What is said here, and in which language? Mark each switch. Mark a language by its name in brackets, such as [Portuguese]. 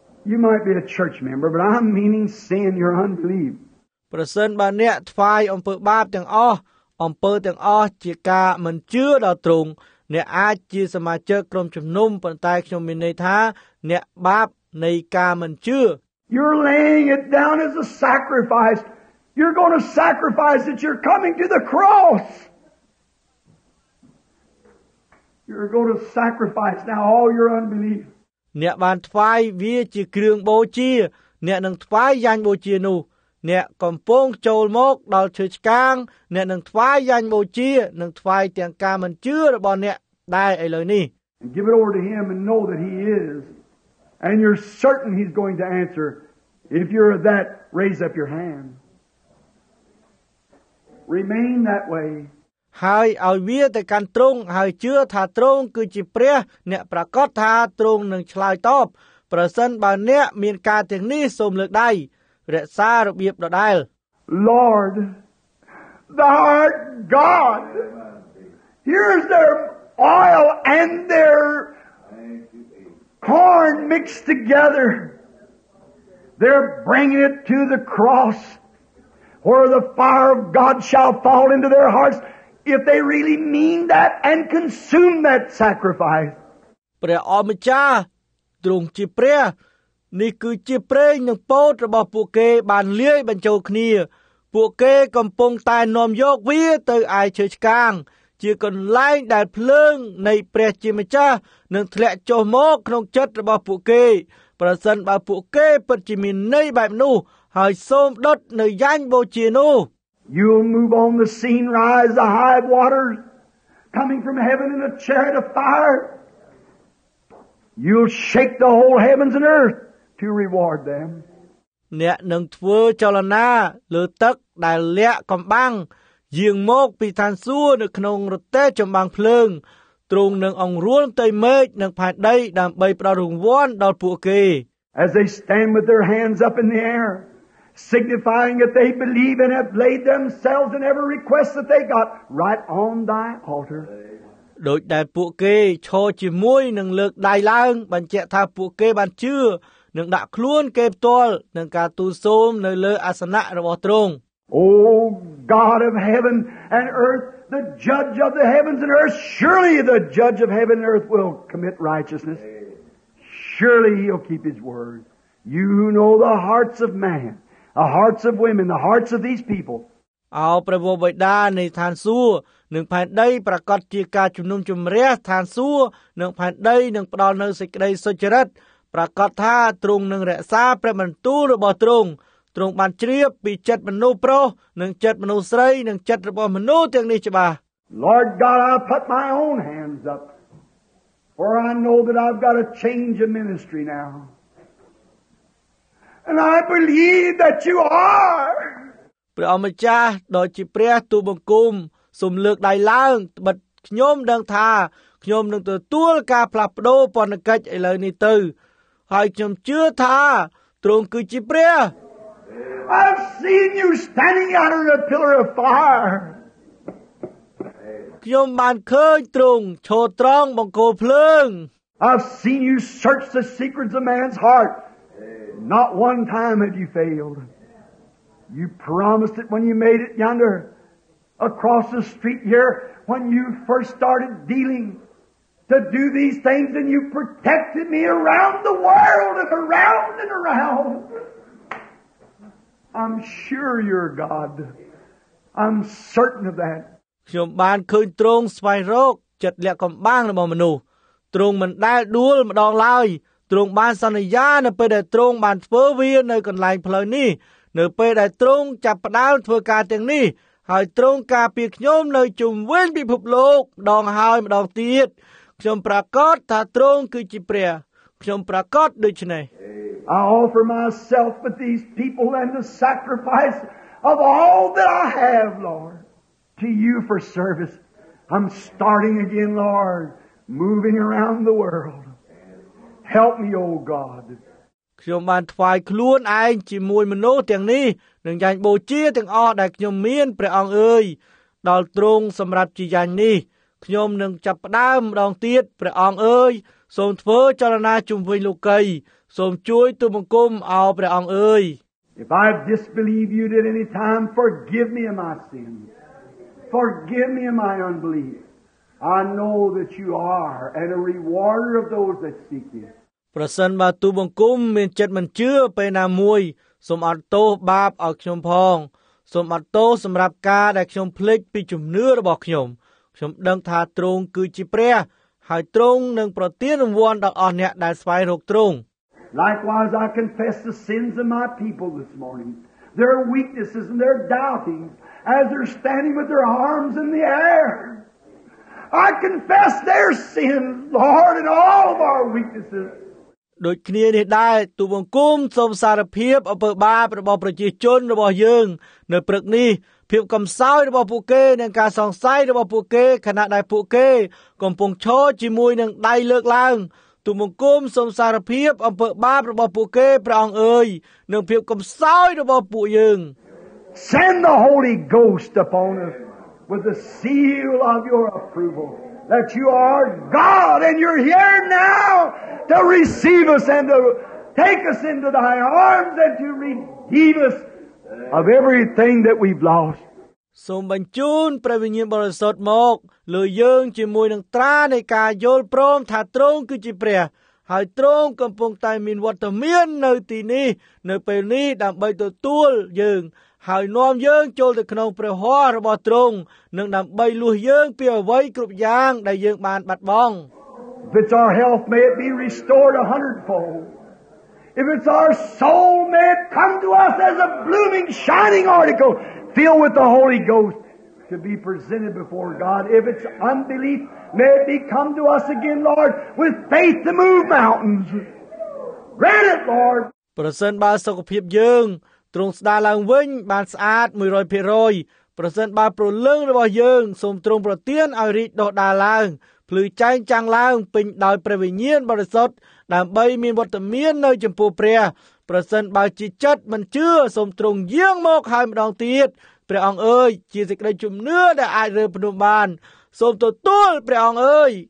[English] You might be a church member, but I'm meaning sin, your unbelief. [Khmer] ប្រសិនបើអ្នកធ្វើអំពើបាបទាំងអស់អំពើទាំងអស់ជាការមិនជឿដល់ទ្រង់អ្នកអាចជាសមាជិកក្រុមជំនុំប៉ុន្តែខ្ញុំមានន័យថាអ្នកបាបនៃការមិនជឿ [English] You're laying it down as a sacrifice. You're going to sacrifice that you're coming to the cross. You're going to sacrifice now all your unbelief. [Khmer] អ្នកបានថ្វាយវាជាគ្រឿងបូជាអ្នកនឹងថ្វាយយ៉ាញ់បូជានោះអ្នកកំពុងចូលមកដល់ឈើឆ្កាងអ្នកនឹងថ្វាយយ៉ាញ់បូជានិងថ្វាយទាំងការមិនជឿរបស់អ្នកដែរឥឡូវនេះ [English] Give it over to him and know that he is and you're certain he's going to answer if you're that raise up your hand remain that way [Khmer] ហើយឲ្យវាទៅកាន់ត្រង់ហើយជឿថាត្រង់គឺជាព្រះអ្នកប្រកាសថាត្រង់នឹងឆ្លើយតបប្រសិនបើអ្នកមានការទាំងនេះសូមលើកដៃរក្សារបៀបដដែល [English] Lord thou art God here's their oil and their corn mixed together they're bringing it to the cross where the fire of God shall fall into their hearts if they really mean that and consume that sacrifice [Khmer] ព្រះអម្ចាស់ទ្រង់ជាព្រះនេះគឺជាព្រេងនិងពោតរបស់ពួកគេបានលាយបញ្ចូលគ្នាពួកគេកំពុងតែនាំយកវាទៅឯឈើឆ្កាងជាកន្លែងដែលភ្លើងនៃព្រះជាម្ចាស់នឹងធ្លាក់ចុះមកក្នុងចិត្តរបស់ពួកគេប្រសិនបើពួកគេពិតជាមានន័យបែបនោះហើយសូមដុតនៅយ៉ាញ់បូជានោះ [English] You move on the scene rise the high waters coming from heaven in a chariot of fire You'll shake the whole heavens and earth to reward them [Khmer] អ្នកនឹងធ្វើចលនាលើទឹកដែលលាក់កំបាំងយាងមកពីឋានសួគ៌នៅក្នុងរទេះចំបាំងភ្លើងទ្រង់នឹងអង្រួនទៅមេឃនិងផែនដីដើម្បីផ្តល់រង្វាន់ដល់ពួកគេ [English] As they stand with their hands up in the air signifying that they believe and have laid themselves in every request that they got right on thy altar [Khmer] ដោយដែលពួកគេឈរជាមួយនឹងលើកដៃឡើងបញ្ជាក់ថាពួកគេបានជឿនឹងដាក់ខ្លួនគេផ្ទាល់នឹងការទូលសូមនៅលើអាសនៈរបស់ទ្រង់ [English] Oh God of heaven and earth the judge of the heavens and earth surely the judge of heaven and earth will commit righteousness surely he'll keep his word you who know the hearts of man the hearts of women the hearts of these people [Khmer] អោព្រះបិតានៃឋានសួគ៌នឹងផែនដីប្រកាសជាការជំនុំជម្រះឋានសួគ៌នឹងផែនដីនឹងផ្ដល់នូវសេចក្តីសុចរិតប្រកាសថាទ្រង់នឹងរក្សាព្រះបន្ទូលរបស់ទ្រង់ទ្រង់បានជ្រាបពីចិត្តមនុស្សប្រុសនិងចិត្តមនុស្សស្រីនិងចិត្តរបស់មនុស្សទាំងនេះច្បាស់ [English] Lord God I put my own hands up for I know that I've got a change of ministry now and I believe that you are [Khmer] ព្រះអម្ចាស់ដ៏ជាព្រះទូបង្គំសូមលើកដៃឡើងបិទខ្ញុំដឹងថាខ្ញុំនឹងទទួលការផ្លាស់ប្ដូរពន្ធកិច្ចឥឡូវនេះទៅហើយខ្ញុំជឿថាទ្រង់គឺជាព្រះ [English] I've seen you standing out in a pillar of fire. [Khmer] ខ្ញុំបានឃើញទ្រង់ឈរត្រង់បង្គោលភ្លើង [English] I've seen you search the secrets of man's heart. Not one time have you failed. You promised it when you made it yonder across the street here when you first started dealing to do these things and you protected me around the world and around and around. I'm sure you're God. I'm certain of that. [Khmer] ខ្ញុំបានឃើញទ្រង់ស្វែងរកចិត្តលាក់កំបាំងរបស់មនុស្សទ្រង់មិនដែលដួលម្ដងឡើយទ្រង់បានសន្យានៅពេលដែលទ្រង់បានធ្វើវានៅកន្លែងផ្លូវនេះនៅពេលដែលទ្រង់ចាប់ផ្ដើមធ្វើការទាំងនេះហើយទ្រង់ការពារខ្ញុំនៅជុំវិញពិភពលោកដងហើយម្ដងទៀតខ្ញុំប្រកាសថាទ្រង់គឺជាព្រះខ្ញុំប្រកាសដូច្នេះ [English] I offer myself with these people and the sacrifice of all that I have, Lord, to you for service. I'm starting again, Lord, moving around the world. Help me, O God. [Khmer] ខ្ញុំបានថ្វាយខ្លួនឯងជាមួយមនុស្សទាំងនេះនឹងយ៉ាញ់បូជាទាំងអស់ដែលខ្ញុំមានព្រះអង្គអើយដល់ទ្រង់សម្រាប់ជាយ៉ាញ់នេះខ្ញុំនឹងចាប់ផ្ដើមម្ដងទៀតព្រះអង្គអើយសូមធ្វើចលនាជុំវិញលោកី សូមជួយទូលបង្គំអោព្រះអង្គអើយ [English] If I disbelieve you at any time forgive me of my sin forgive me of my unbelief I know that you are and a rewarder of those that seek you [Khmer] ប្រសិនបើទូលបង្គំមានចិត្តមិនជឿពេលណាមួយសូមអត់ទោសបាបឲ្យខ្ញុំផងសូមអត់ទោសសម្រាប់ការដែលខ្ញុំភ្លេចពីជំនឿរបស់ខ្ញុំខ្ញុំដឹងថាទ្រង់គឺជាព្រះហើយទ្រង់នឹងប្រទានរង្វាន់ដល់អស់អ្នកដែលស្វែងរកទ្រង់ [English] Likewise I confess the sins of my people this morning their weaknesses and their doubting as they're standing with their arms in the air I confess their sins Lord and all of our weaknesses [Khmer] ដូចគ្នានេះដែរទូបង្គំសូមសារភាពអំពើបាបរបស់ប្រជាជនរបស់យើងនៅព្រឹកនេះភាពកំសោយរបស់ពួកគេនិងការសង្ស័យរបស់ពួកគេខណៈដែលពួកគេកំពុងឈរជាមួយនឹងដៃលើកឡើងទូបង្គំសូមសារភាពអំពើបាបរបស់ពួកគេព្រះអង្គអើយនឹងភាពកំសោយរបស់ពួកយើង [English] Send the Holy Ghost upon us with the seal of your approval that you are God and you're here nowTo receive us and to take us into thy arms and to redeem us of everything that we've lost. [Khmer] សូមបញ្ជូនព្រះវិញ្ញាណបរិសុទ្ធមកលើយើងជាមួយនឹងត្រានៃការយល់ព្រមថាទ្រង់គឺជាព្រះហើយទ្រង់កំពុងតែមានវត្តមាននៅទីនេះនៅពេលនេះដើម្បីទទួលយើងហើយនាំយើងចូលទៅក្នុងព្រះហស្ថរបស់ទ្រង់និងដើម្បីលួសយើងពីអ្វីគ្រប់យ៉ាងដែលយើងបានបាត់បង់ [English] If it's our health, may it be restored 100-fold. If it's our soul, may it come to us as a blooming, shining article, filled with the Holy Ghost, to be presented before God. If it's unbelief, may it be come to us again, Lord, with faith to move mountains. Grant it, Lord. [Khmer] ប្រសិនបើសុខភាពយើងទ្រង់ស្ដារឡើងវិញបានស្អាត 100%, ប្រសិនបើព្រលឹងរបស់យើងសូមទ្រង់ប្រទានឲ្យរីកដុះដាលឡើងភ្លឺចែងចាំងឡើងពេញដោយព្រះវិញ្ញាណបរិសុទ្ធដើម្បីមានវត្តមាននៅចំពោះព្រះប្រសិនបើជាចិត្តមិនជឿសូមទ្រង់យាងមកហើយម្ដងទៀតព្រះអង្គអើយជាសេចក្តីជំនឿដែលអាចរើភ្នំបានសូមទទួលព្រះអង្គអើយ